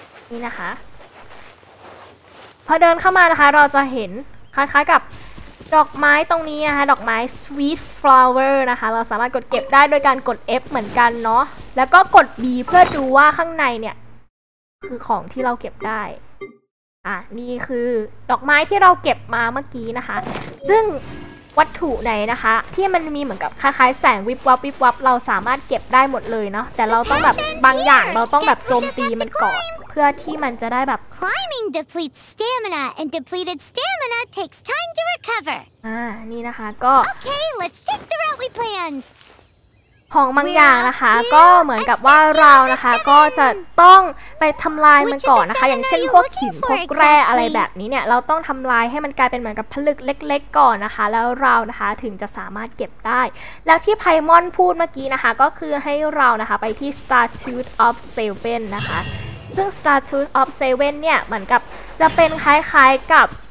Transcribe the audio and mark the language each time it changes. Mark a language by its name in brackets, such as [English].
[Thai] นี่นะคะพอเดินเข้ามานะคะเราจะเห็นคล้ายๆกับดอกไม้ตรงนี้นะคะดอกไม้ sweet flower นะคะเราสามารถกดเก็บได้โดยการกด F เหมือนกันเนาะแล้วก็กด B เพื่อดูว่าข้างในเนี่ยคือของที่เราเก็บได้ นี่คือดอกไม้ที่เราเก็บมาเมื่อกี้นะคะซึ่งวัตถุไหนนะคะที่มันมีเหมือนกับคล้ายๆแสงวิบวับวิบวับเราสามารถเก็บได้หมดเลยเนาะแต่เราต้องแบบบางอย่างเราต้องแบบโจมตีมันก่อนเพื่อที่มันจะได้แบบ [English] climbing depletes stamina and depleted stamina takes time to recover [Thai] นี่นะคะก็ [English] okay let's take the route we planned [Thai] ของบางอย่างนะคะก็เหมือนกับว่าเรานะคะก็จะต้องไปทำลายมันก่อนนะคะอย่างเช่นพวกหินพวกแกร่อะไรแบบนี้เนี่ยเราต้องทำลายให้มันกลายเป็นเหมือนกับผลึกเล็กๆก่อนนะคะแล้วเรานะคะถึงจะสามารถเก็บได้แล้วที่ไพมอนพูดเมื่อกี้นะคะก็คือให้เรานะคะไปที่ Statue of Seven นะคะซึ่ง Statue of Seven เนี่ยเหมือนกับจะเป็นคล้ายๆกับ